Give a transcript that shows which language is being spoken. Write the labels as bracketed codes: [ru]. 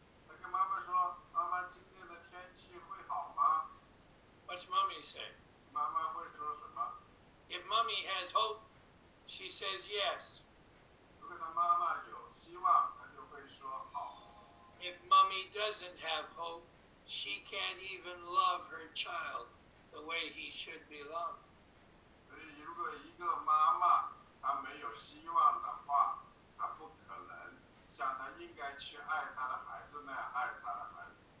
[zh] 她跟妈妈说，妈妈，今天的天气会好吗？ [en] What's mommy say? [zh] 妈妈会说什么？ [en] If mommy has hope, she says yes. [zh] 如果她妈妈有希望，她就会说好。 [en] If mommy doesn't have hope, she can't even love her child the way he should be loved. [zh] 所以如果一个妈妈她没有希望的话，她不可能像她应该去爱她的孩子那样爱她的孩子。